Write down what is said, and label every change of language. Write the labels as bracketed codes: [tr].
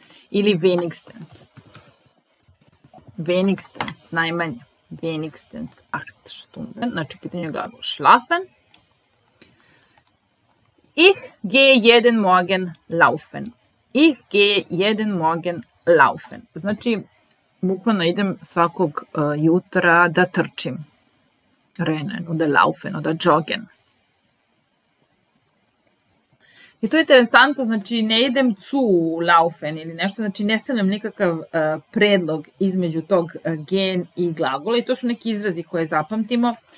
[hr] Ili wenigstens. Wenigstens, najmanje. [de] Wenigstens 8 Stunden. [hr] Znači, u pitanju glagol schlafen. [de] Ich gehe jeden Morgen laufen. Ich gehe jeden Morgen laufen. [hr] Znači, bukvalno idem svakog jutra da trčim. [de] Rennen oder laufen oder joggen. [hr] I to je interesantno, znači ne idem [de] zu laufen [hr] ili nešto, znači ne stavljam nikakav predlog između tog gen i glagola i to su neki izrazi koje zapamtimo.